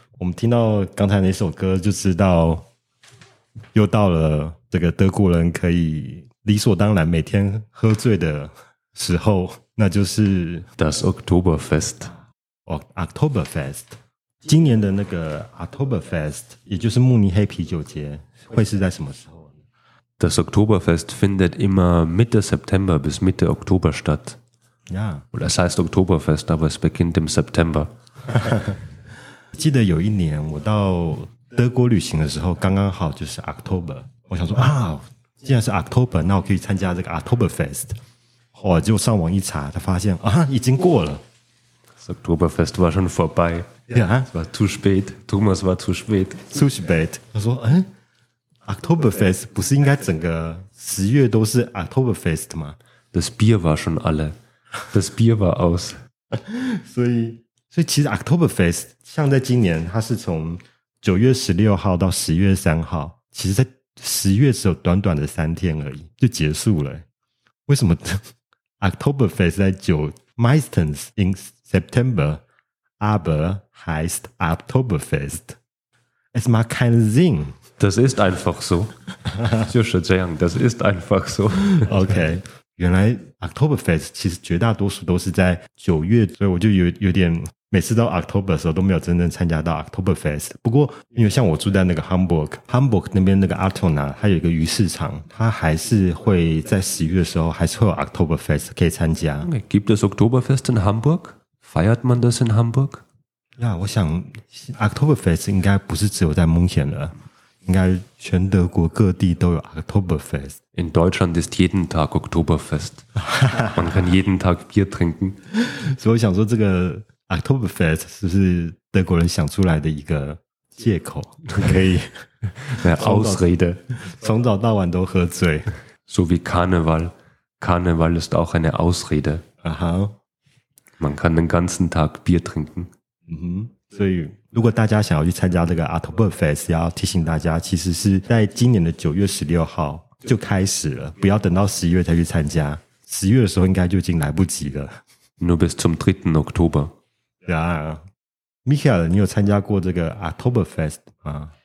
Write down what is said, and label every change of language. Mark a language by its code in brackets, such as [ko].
[zh] 我们听到刚才那首歌就知道又到了这个德国人可以理所当然每天喝醉的时候，那就是 [de] Das Oktoberfest、 [zh] oh, Oktoberfest 今年的那个 Oktoberfest 也就是慕尼黑啤酒节会是在什么时候呢？ [de] Das Oktoberfest findet immer Mitte September bis Mitte Oktober statt. Ja. Und es heißt Oktoberfest, aber es beginnt im September. 记得有一年我到德国旅行的时候刚刚好就是 October， 我想说啊，既然是 October， 那我可以参加这个 Oktoberfest。我就上网一查，他发现啊，已经过了。 Oktoberfest war schon vorbei. Ja, es war zu spät. Thomas war zu spät. Zu spät. [zh] 他说嗯， Oktoberfest 不是应该整个十月都是 Oktoberfest 吗？ [de] Das Bier war schon alle. Das Bier war aus. [zh] 所以其实 Oktoberfest 像在今年它是从9月16号到10月3号其实在10月只有短短的三天而已就结束了。为什么 Oktoberfest 在9 [de] Meistens in September aber heißt Oktoberfest? Es macht keinen Sinn. Das ist einfach so. [zh] 就是这样 [de] Das ist einfach so. [en] OK. [zh] 原来 Oktoberfest 其实绝大多数都是在九月，所以我就有点每次到 October 的时候都没有真正参加到 Oktoberfest。不过因为像我住在那个 Hamburg 那边那个 Altona， 它有一个鱼市场，它还是会在十一月的时候还是会有 Oktoberfest 可以参加。 [de] Gibt es Oktoberfest in Hamburg? Feiert man das in Hamburg? [zh] 呀，我想 Oktoberfest 应该不是只有在蒙前了。应该全德国各地都有 Oktoberfest。 [de] In Deutschland ist jeden Tag Oktoberfest. Man kann jeden Tag Bier trinken. [zh] 所以我想说，这个 Oktoberfest 是不是德国人想出来的一个借口？可以 [de] Ausrede， [zh] 从早到晚都喝醉。 [de] So wie Karneval. Karneval ist auch eine Ausrede. Aha. Man kann den ganzen Tag Bier trinken. [zh] 所以。如果大家想要去参加这个 Oktoberfest， 要提醒大家，其实是在今年的9月16号就开始了，不要等到11月才去参加。 10月的时候应该就已经来不及了。 [de] Nur bis zum 3. Oktober. Ja. [zh] Michael, 你有参加过这个 Oktoberfest 吗？